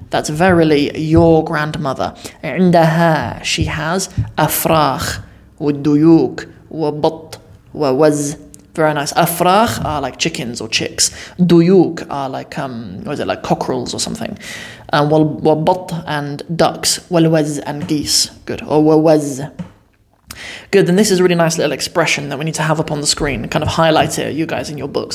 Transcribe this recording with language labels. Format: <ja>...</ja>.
<en>That's verily your grandmother.</en> <ar>عندها,</ar> <en>she has</en> <ar>أفراخ والديوك وبط ووز.</ar> <en>Very nice. أفراخ are like chickens or chicks. ديوك are like like cockerels or something. وبط and ducks. والوز and geese. Good. Or ووز. Good. Then this is a really nice little expression that we need to have up on the screen. Kind of highlight it, you guys in your books.</en>